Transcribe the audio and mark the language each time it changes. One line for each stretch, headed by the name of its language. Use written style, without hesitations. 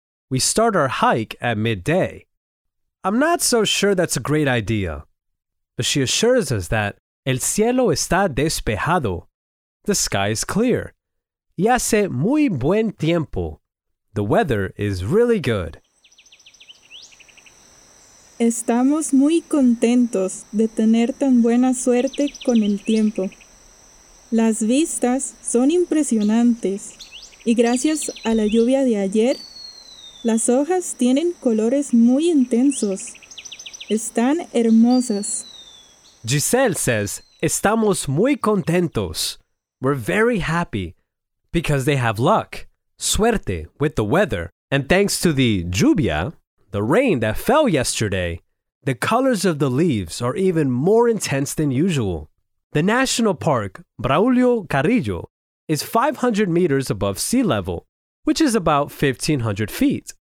English: We start our hike at midday. I'm not so sure that's a great idea, but she assures us that
Spanish: el cielo está despejado.
English: The sky is clear.
Spanish: Y hace muy buen tiempo.
English: The weather is really good.
Spanish: Estamos muy contentos de tener tan buena suerte con el tiempo. Las vistas son impresionantes. Y gracias a la lluvia de ayer, las hojas tienen colores muy intensos. Están hermosas. Giselle says, estamos muy contentos.
English: We're very happy. Because they have luck, suerte, with the weather. And thanks to the lluvia, the rain that fell yesterday, the colors of the leaves are even more intense than usual. The National Park, Braulio Carrillo, is 500 meters above sea level, which is about 1,500 feet.